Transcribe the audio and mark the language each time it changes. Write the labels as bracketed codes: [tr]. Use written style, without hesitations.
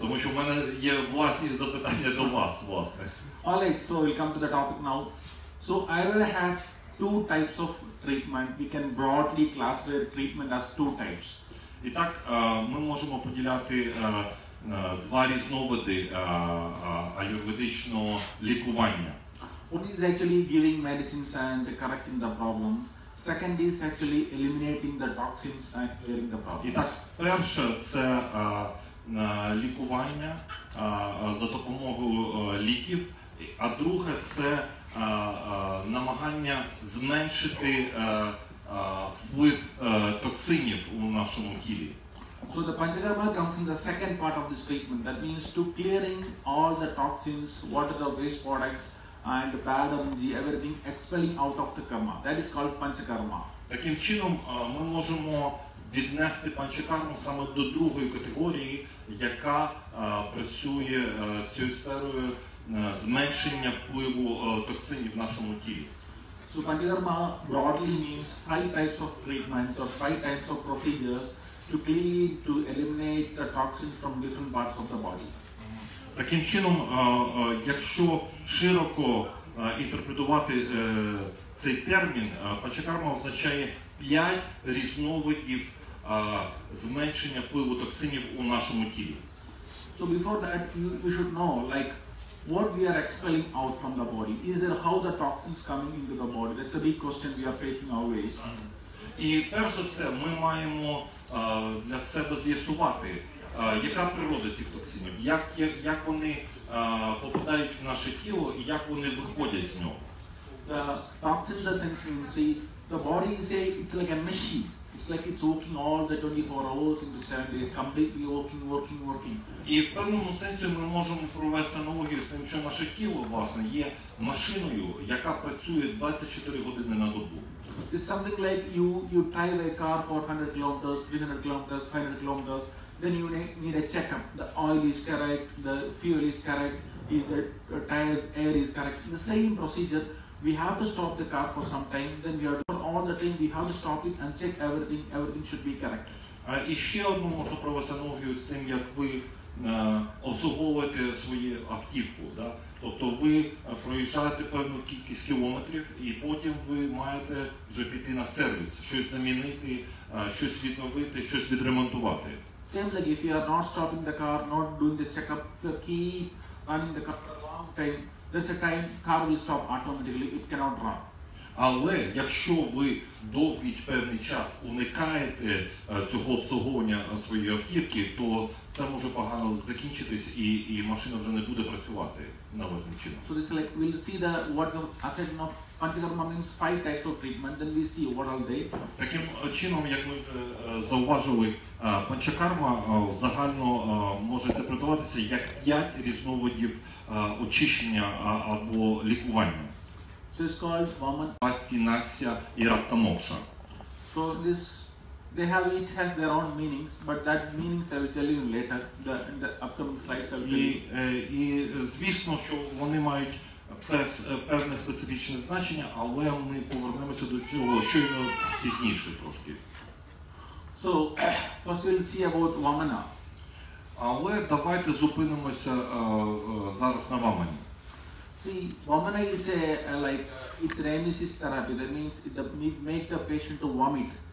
[uk] Тому що в мене є власні запитання до вас, власне. [en] Alright, so we'll come to the topic now. So Ayurveda has two types of treatment. We can broadly classify treatment as two types. [uk] І так, ми можемо поділяти два різновиди аюрведичного лікування. [en] One is actually giving medicines and correcting the problems. Second is actually eliminating the toxins and clearing the problems. [uk] І так, перше це лікування за допомогою ліків, а друге це намагання зменшити вплив токсинів у нашому тілі. [en] So the panchakarma comes in the second part of this treatment. That means to clearing all the toxins, what are the waste products and bad energy, everything expelling out of the karma. That is called panchakarma. [uk] Таким чином ми можемо віднести панчакарму саме до другої категорії, яка працює з цією сферою зменшення впливу токсинів в нашому тілі. [en] So panchakarma broadly means five types of treatments or five types of procedures to clean, to eliminate the toxins from different parts of the body. [uk] Таким чином, якщо широко інтерпретувати цей термін, панчакарма означає п'ять різновидів зменшення впливу токсинів у нашому тілі. [en] So before that, you should know, like, what we are expelling out from the body? Is there how the toxins coming into the body? That's a big question we are facing always. [uk] І перш за все, ми маємо для себе з'ясувати, яка природа цих токсинів, як вони попадають в наше тіло і як вони виходять з нього. [en] The toxin doesn't mean, see, the body is a, it's like a machine. It's like it's working all the 24 hours into 7 days, completely working. [uk] І в певному сенсі ми можемо провести аналогію з тим, що наше тіло, власне, є машиною, яка працює 24 години на добу. [en] It's something like you drive a car for 100 kilometers, 300 kilometers, 500 kilometers, then you need a check-up. The oil is correct, the fuel is correct, is the tires, air is correct. The same procedure, we have to stop the car for some time, then we have to all the time, we have to stop it and check everything should be correct. [uk] І ще одну можна провести аналогію з тим, як ви обслуговуєте свою автівку. Да? Тобто ви проїжджаєте певну кількість кілометрів і потім ви маєте вже піти на сервіс, щось замінити, щось відновити, щось відремонтувати. [en] Same thing, if you are not stopping the car, not doing the check-up, if you keep running the car for a long time, that's the time car will stop automatically, it cannot run. [uk] Але якщо ви довгий певний час уникаєте цього обслуговування своєї автівки, то це може погано закінчитись і машина вже не буде працювати належним чином. [en] So this is like, we'll see the what the asset of panchakarma means five types of treatment, then we'll see what are they. [uk] Таким чином, як ми зауважили, панчакарма загально може інтерпретуватися як п'ять різновидів очищення або лікування. [en] So it's called Vaman, Asti, Nasya and Ratta Moksha. So this, they have each has their own meanings, but that meanings I will tell you later, in the upcoming slides I will tell you. [uk] І звісно, що вони мають певне специфічне значення, але ми повернемося до цього щойно пізніше трошки. [en] So, first we'll see about Vamana. [uk] Але давайте зупинимося зараз на Вамані. [en] See, Vamana is a, like, it's an emesis therapy, that means it makes the patient to vomit.